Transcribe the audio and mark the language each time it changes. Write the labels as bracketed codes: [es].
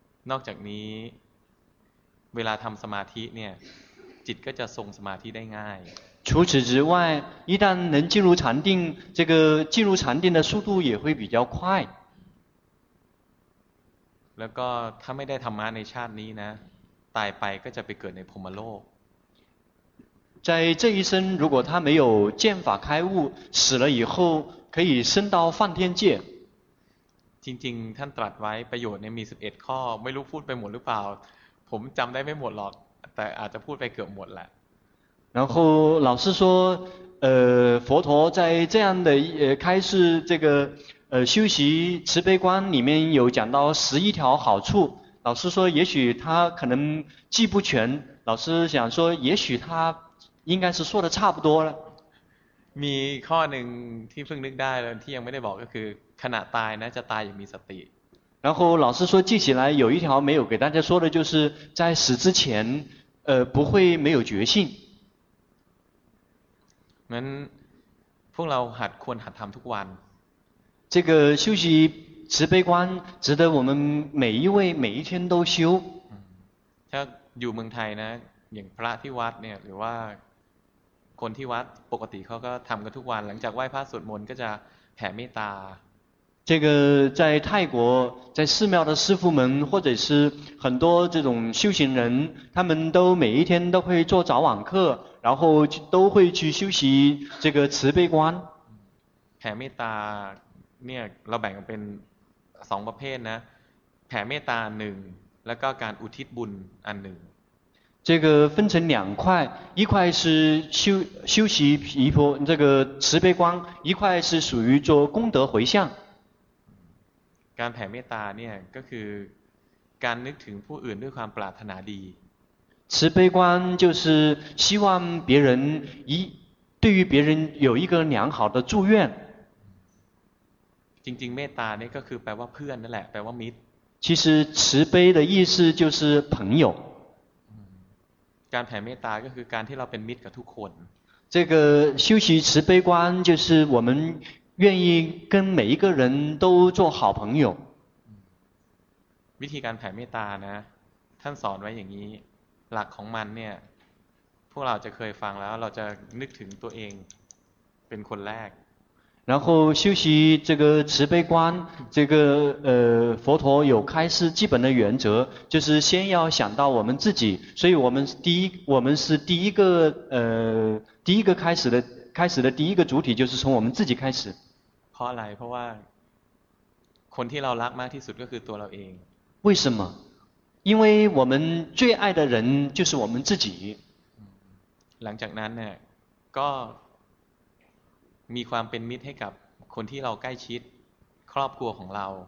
[th] นอกจากนี้เวลาทำสมาธิเนี่ย จิตก็จะทรงสมาธิได้ง่าย [zh] 除此之外一旦能进入禅定这个进入禅定的速度也会比较快 [th] แล้วก็ถ้าไม่ได้ธรรมะในชาตินี้นะตายไปก็จะไปเกิดในพรหมโลก [zh] 在这一生如果他没有见法开悟死了以后可以升到梵天界 [th] จริงๆท่านตรัสไว้ประโยชน์เนี่ยมี11ข้อไม่รู้พูดไปหมดหรือเปล่าผมจำได้ไม่หมดหรอกแต่อาจจะพูดไปเกือบหมดแหละ [zh] 然后老师说佛陀在这样的开示这个修习慈悲观里面有讲到11条好处老师说也许他可能记不全老师想说也许他应该是说的差不多了 [th] มีข้อหนึ่งที่เพิ่งนึกได้แล้วที่ยังไม่ได้บอกก็คือขณะตายนะจะตายอย่างมีสติ [zh] 然后老师说记起来有一条没有给大家说的就是在死之前不会没有决心 [th] นั้นพวกเราหัดควรหัดทำทุกวัน [zh] 这个修习慈悲观值得我们每一位每一天都修 [th] ถ้าอยู่เมืองไทยนะอย่างพระที่วัดเนี่ยหรือว่าคนที่วัดปกติเขาก็ทำกันทุกวันหลังจากไหว้พระสวดมนต์ก็จะแผ่เมตตา [zh] 这个在泰国在寺庙的师父们或者是很多这种修行人他们都每一天都会做早晚课然后都会去修习这个慈悲观 [th] แผ่เมตตาเนี่ยเราแบ่งเป็น2ประเภทนะแผ่เมตตา1แล้วก็การอุทิศบุญอันหนึ่ง [zh] 这个分成两块一块是 修习毗婆这个慈悲观一块是属于做功德回向 [th] การแผ่เมตตาเนี่ยก็คือการนึกถึงผู้อื่นด้วยความปรารถนาดี [zh] 慈悲观就是希望别人对于别人有一个良好的祝愿 [th] จริงๆเมตตาเนี่ยก็คือแปลว่าเพื่อนนั่นแหละแปลว่ามิตร [zh] 其实慈悲的意思就是朋友 [th] การแผ่เมตตาก็คือการที่เราเป็นมิตรกับทุกคน [zh] 这个修习慈悲观就是我们愿意跟每一个人都做好朋友 [th] วิธีการแผ่เมตตานะท่านสอนไว้อย่างนี้หลักของมันเนี่ยพวกเราจะเคยฟังแล้วเราจะนึกถึงตัวเองเป็นคนแรก [zh] 然后修习这个慈悲观这个佛陀有开示基本的原则就是先要想到我们自己所以我们是第一个第一个开始的第一个主体就是从我们自己开始 [th] เพราะอะไรเพราะว่าคนที่เรารักมากที่สุดก็คือตัวเราเอง [zh] 为什么因为我们最爱的人就是我们自己 [th] หลังจากนั้นเนี่ยก็มีความเป็นมิตรให้กับคนที่เราใกล้ชิดครอบครัวของเรา